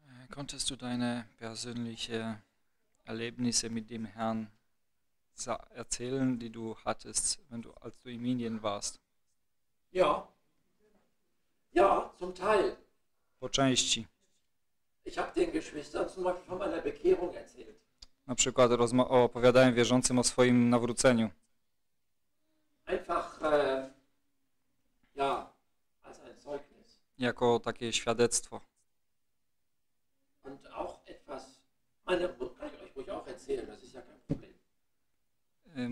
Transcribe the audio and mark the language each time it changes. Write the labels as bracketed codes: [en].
[de] Konntest du deine persönlichen Erlebnisse mit dem Herrn erzählen, die du hattest, wenn du, als du in Indien warst? Ja. Ja, zum Teil. [pl] Po części. [de] Ich habe den Geschwistern zum Beispiel von meiner Bekehrung erzählt. [pl] Na przykład opowiadałem wierzącym o swoim nawróceniu. [de] Einfach, ja, als ein Zeugnis. [pl] Jako takie świadectwo. [de] Und auch etwas, meine Mutter, kann ich euch auch erzählen, das ist ja kein Problem.